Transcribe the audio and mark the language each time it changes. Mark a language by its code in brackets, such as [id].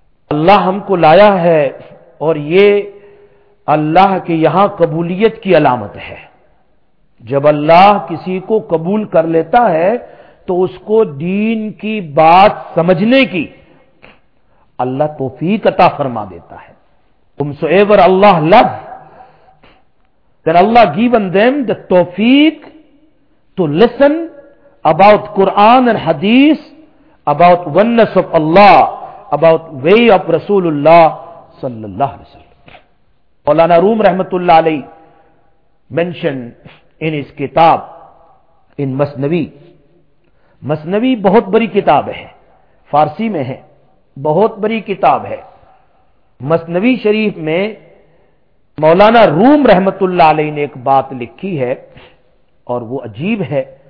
[ur] اللہ ہم کو لایا ہے اور یہ اللہ کے یہاں قبولیت کی علامت ہے. جب اللہ کسی کو قبول کر لیتا ہے تو اس کو دین کی بات سمجھنے کی اللہ توفیق عطا فرما دیتا ہے. [en] Whomsoever Allah love, then Allah given them the توفیق to listen about Quran and Hadith, about oneness of Allah, about way of Rasulullah صلی اللہ علیہ وسلم. مولانا روم رحمت اللہ علیہ mention in his کتاب in مثنوی. [ur] مثنوی بہت بڑی کتاب ہے, فارسی میں ہے, بہت بڑی کتاب ہے. مثنوی شریف میں مولانا روم رحمت اللہ علیہ نے ایک بات لکھی ہے اور وہ عجیب ہے.